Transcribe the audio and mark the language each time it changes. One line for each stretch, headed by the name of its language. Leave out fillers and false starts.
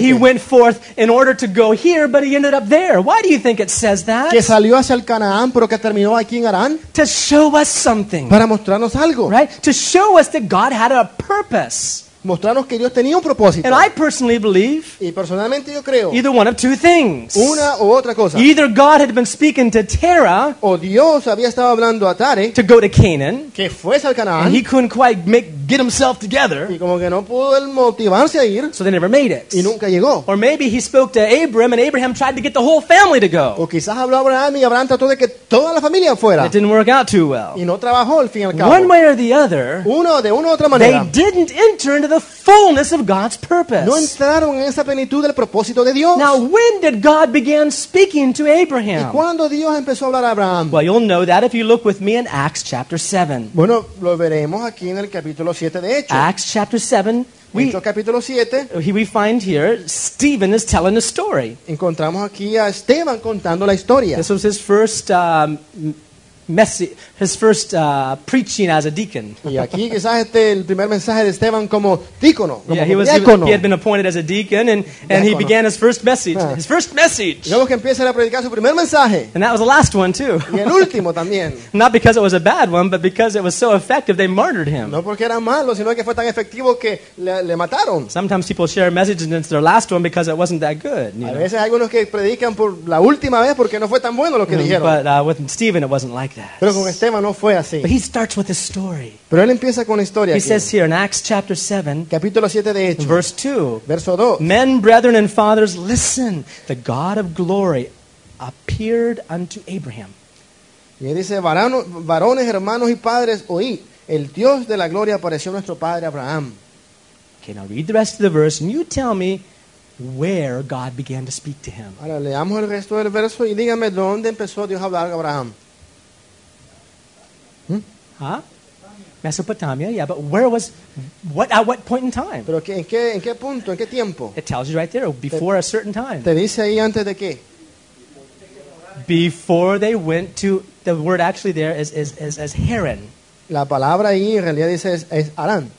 English: That he went forth in order to go here, but he ended up there. Why do you think it says that?
Spanish: Que salió hacia el Canaán, pero que terminó aquí en Aram.
English: To show us something.
Spanish: Para mostrarnos algo.
English: Right? To show us that God had a purpose.
Spanish: Mostrarnos que Dios tenía un propósito.
English: And I personally believe,
Spanish: y personalmente yo creo,
English: either one of two things.
Spanish: Una u otra cosa.
English: Either God had been speaking to Terah,
Spanish: o Dios había estado hablando a Tare,
English: to go to Canaan,
Spanish: que fuese al Canaán,
English: and he couldn't quite get himself together,
Spanish: y como que no pudo él motivarse a ir,
English: so they never made it.
Spanish: Y nunca llegó.
English: Or maybe he spoke to Abram, and Abraham tried to get the whole family to go.
Spanish: O quizás habló a Abraham, y Abraham trató de que toda la familia fuera.
English: It didn't work out too well.
Spanish: Y no trabajó al fin y al cabo.
English: One way or the other,
Spanish: uno de una u otra manera,
English: they didn't enter into the fullness of God's purpose.
Spanish: No entraron en esa plenitud del propósito de Dios.
English: Now, when did God begin speaking to Abraham?
Spanish: ¿Y cuándo Dios empezó a hablar a Abraham?
English: Well, you'll know that if you look with me in Acts chapter 7.
Spanish: Bueno, lo veremos aquí en el capítulo 7 de Hechos.
English: Acts chapter 7. We find here Stephen is telling a story.
Spanish: Encontramos aquí a Esteban contando la historia.
English: This was his first his first preaching as a deacon.
Spanish: Y aquí quizás este el primer mensaje de Esteban como diácono.
English: He had been appointed as a deacon and he began his first message. Ah. His first message.
Spanish: Y luego que empieza a predicar su primer mensaje.
English: And that was the last one too.
Spanish: Y el último también.
English: Not because it was a bad one, but because it was so effective they martyred him.
Spanish: No porque era malo, sino que fue tan efectivo que le mataron.
English: Sometimes people share messages and it's their last one because it wasn't that good.
Spanish: A veces hay algunos que predican por la última vez porque no fue tan bueno lo que dijeron.
English: But with Stephen it wasn't like that.
Spanish: Pero con Esteban no fue así.
English: But he starts with a story.
Spanish: Pero él empieza con una historia.
English: He
Spanish: aquí.
English: Says here in Acts chapter 7,
Spanish: capítulo 7 de Hechos,
English: verse 2,
Spanish: verso 2.
English: Men, brethren, and fathers, listen. The God of glory appeared unto Abraham.
Spanish: Y él dice, varones, hermanos, y padres, oíd. El Dios de la gloria apareció a nuestro padre Abraham.
English: Okay, now read the rest of the verse and you tell me where God began to speak to him.
Spanish: Ahora leamos el resto del verso y dígame dónde empezó Dios a hablar a Abraham. Huh?
English: Mesopotamia, yeah, but where was, what at what point in time?
Spanish: Pero en qué punto, en qué tiempo?
English: It tells you right there, before a certain time.
Spanish: Te dice ahí antes de qué?
English: Before they went to, the word actually there is Haran.
Spanish: La palabra ahí en realidad dice es Harán.